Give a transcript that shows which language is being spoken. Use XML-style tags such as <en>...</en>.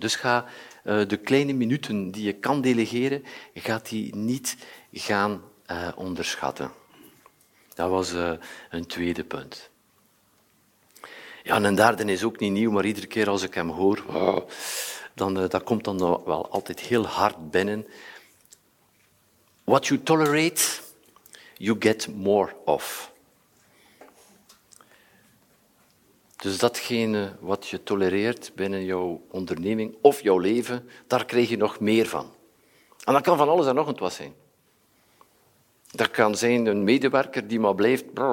<nl>Dus ga de kleine minuten die je kan delegeren, ga die niet gaan onderschatten. Dat was een tweede punt. Ja, en een derde is ook niet nieuw, maar iedere keer als ik hem hoor, dat komt dan wel altijd heel hard binnen.</nl> <en>What you tolerate, you get more of.</en> <nl>Dus datgene wat je tolereert binnen jouw onderneming of jouw leven, daar krijg je nog meer van. En dat kan van alles en nog wat zijn. Dat kan zijn een medewerker die maar blijft...</nl>